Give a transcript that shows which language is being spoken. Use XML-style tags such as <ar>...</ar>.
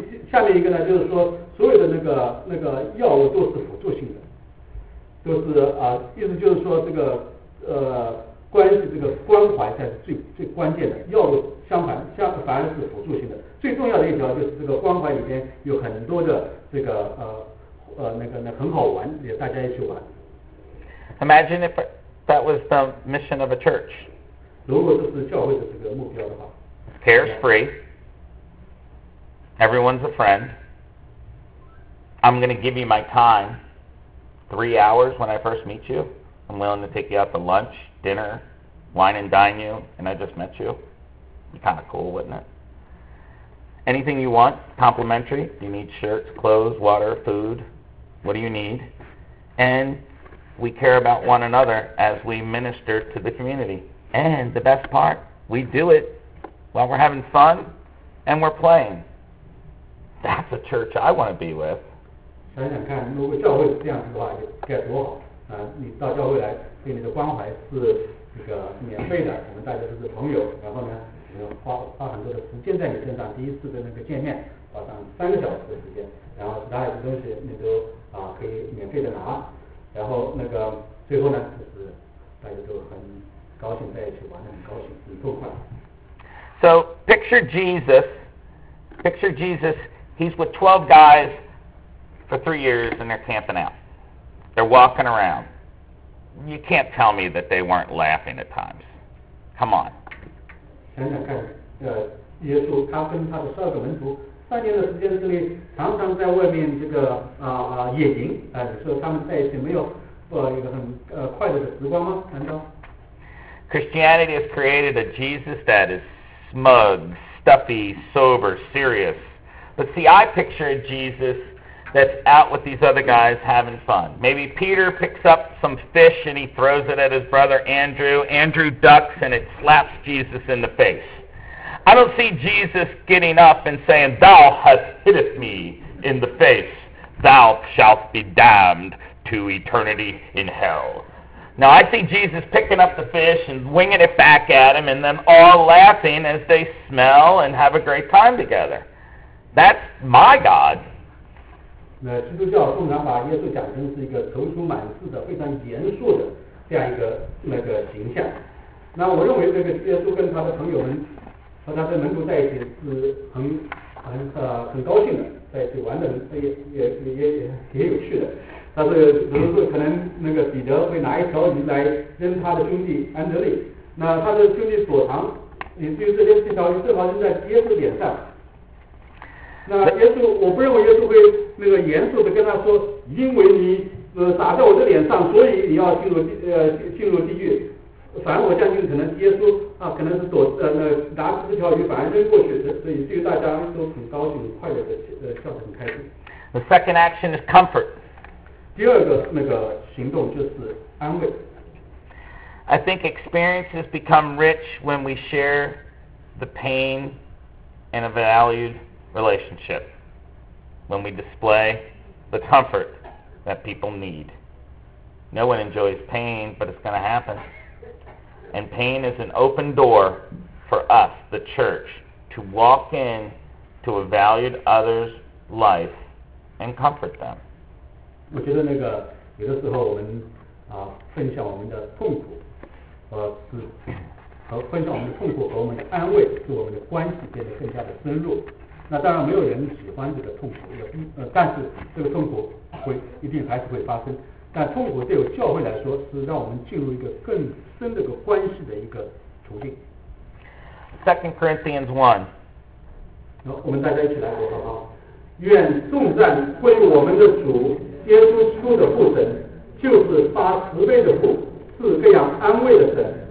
<zh>下面一个呢，就是说所有的那个药物都是辅助性的，都是意思就是说这个关系这个关怀才是最关键的，药物反而是辅助性的。最重要的一条就是这个关怀里边有很多的这个很好玩，也大家一起玩。</zh> <en>Imagine if that was the mission of a church.</en> <zh>如果这是教会的这个目标的话</zh> <en>，Care's free. Everyone's a friend. I'm going to give you my time. 3 hours when I first meet you. I'm willing to take you out to lunch, dinner, wine and dine you, and I just met you. It'd be kind of cool, wouldn't it? Anything you want, complimentary. You need shirts, clothes, water, food. What do you need? And we care about one another as we minister to the community. And the best part, we do it while we're having fun and we're playing. That's a church I want to be with.</en> <zh>想想看，如果教会是这样子的话，该多好啊！你到教会来，对你的关怀是这个免费的，我们大家都是朋友。然后呢，花很多的时间在你身上，第一次的那个见面，花上3个小时的时间，然后其他的东西你都可以免费的拿。然后那个最后呢，就是大家都很高兴在一起玩，很高兴，很痛快。</zh> <en>So picture Jesus. Picture Jesus. He's with 12 guys for 3 years, and they're camping out. They're walking around. You can't tell me that they weren't laughing at times. Come on.</en> <zh>想想看，耶稣他跟他的12个门徒3年的时间之内，常常在外面这个野营，说他们在一起没有一个很快乐的时光吗？难道？</zh> <en>Christianity has created a Jesus that is smug, stuffy, sober, serious. But see, I picture a Jesus that's out with these other guys having fun. Maybe Peter picks up some fish and he throws it at his brother Andrew. Andrew ducks and it slaps Jesus in the face. I don't see Jesus getting up and saying, "Thou hast hittest me in the face. Thou shalt be damned to eternity in hell." Now, I see Jesus picking up the fish and winging it back at him and then all laughing as they smell and have a great time together. That's my God.</en> <zh>基督教通常把耶稣讲成是一个踌躇满志的非常严肃的这样一个那个形象。那我认为这个耶稣跟他的朋友们和他的门徒在一起是很高兴的，在一起玩的也有趣的。但是比如说可能那个彼得会拿一条鱼来扔他的兄弟安德烈，那他的兄弟所藏也就是这条鱼正好扔在耶稣脸上。那耶稣，我不认为耶稣会那个严肃的跟他说，因为你打在我的脸上，所以你要进入地狱。反而我相信，可能耶稣可能是拿这条鱼反而扔过去，所以对大家都很高兴、快乐的笑得很开心。</zh> <en>The second action is comfort.</en> <zh>第二个那个行动就是安慰。</zh> <en>I think experiences become rich when we share the pain and a valued. Relationship, when we display the comfort that people need. No one enjoys pain, but it's going to happen. And pain is an open door for us, the church, to walk in to a valued other's life and comfort them. I think that sometimes we share our pain and our comfort and our comfort is our relationship.</en> <zh>那当然没有人喜欢这个痛苦，但是这个痛苦会一定还是会发生。但痛苦对于教会来说是让我们进入一个更深的一个关系的一个途径。</zh> <en>Second Corinthians 1。</en> <zh>那我们大家一起来读好不好？愿颂赞归我们的主耶稣基督的父神，就是发慈悲的父，是各样安慰的神。</zh>